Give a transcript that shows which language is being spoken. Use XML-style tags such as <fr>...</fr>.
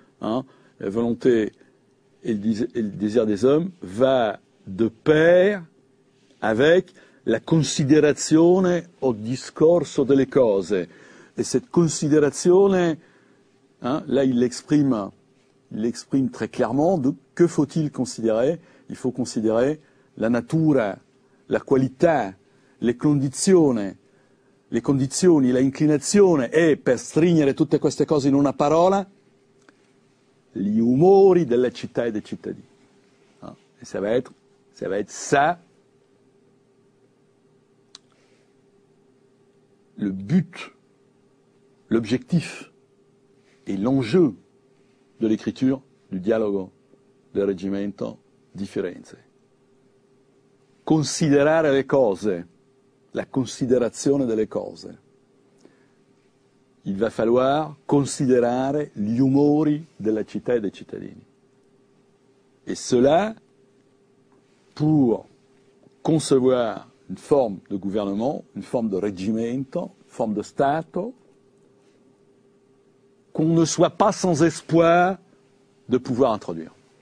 <fr>Hein, la volonté et le désir des hommes va de pair avec la considerazione au</fr> <it>discorso delle cose.</it> <fr>Et cette considerazione, hein, là il l'exprime très clairement, de que faut-il considérer? Il faut considérer</fr> <it>la natura, la qualità, le condizioni, la inclinazione, e per stringere tutte queste cose in una parola, gli umori della città e dei cittadini.</it> <fr>Hein? Et ça va être ça, le but, l'objectif et l'enjeu de l'écriture du dialogo del Reggimento di Firenze. Considérare les choses,</fr> <it>la considérazione delle cose.</it> <fr>Il va falloir</fr> <it>considérare gli umori della città e dei cittadini.</it> <fr>Et cela pour concevoir une forme de gouvernement, une forme de reggimento, une forme de Stato, qu'on ne soit pas sans espoir de pouvoir introduire.</fr>